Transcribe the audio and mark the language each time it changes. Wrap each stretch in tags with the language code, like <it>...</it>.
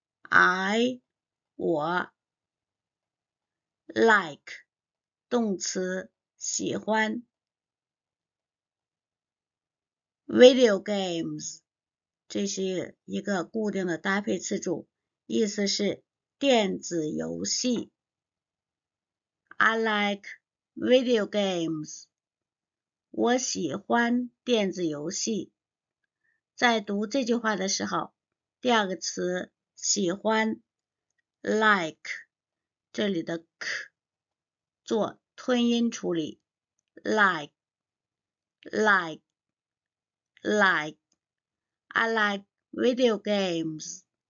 <en>I like</en> <zh>动词喜欢</zh> <en>video games</en> <zh>这是一个固定的搭配词组，意思是电子游戏。</zh> <en>I like video games，</en> <zh>我喜欢电子游戏。在读这句话的时候，第二个词喜欢like 这里的 k 做吞音处理</zh> <en>like I like video games。</en>